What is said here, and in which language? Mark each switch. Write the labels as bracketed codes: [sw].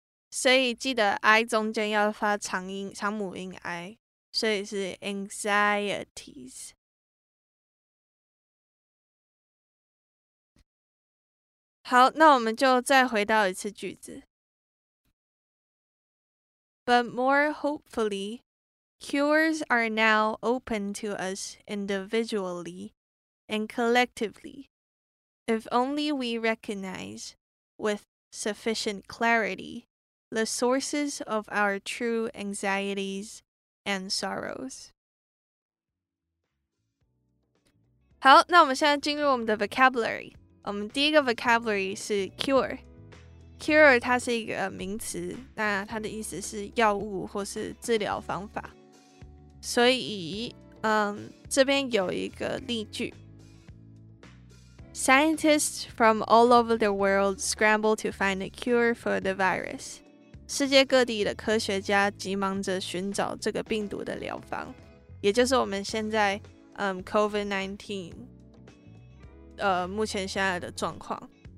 [zh] 所以记得 i 中间要发长音，长母音 i。所以是 anxieties. 好，那我们就再回到一次句子。 [en] But more hopefully, cures are now open to us individually and collectively, if only we recognize, with sufficient clarity, the sources of our true anxieties and sorrows. [zh] 好,那我们现在进入我们的 vocabulary. 我们第一个 vocabulary 是 cure。 Cure 它是一个名词, 那它的意思是药物或是治疗方法。所以, 这边有一个例句。 [en] Scientists from all over the world scramble to find a cure for the virus. [zh] 世界各地的科学家急忙着寻找这个病毒的疗方, 也就是我们现在, COVID-19, 目前现在的状况。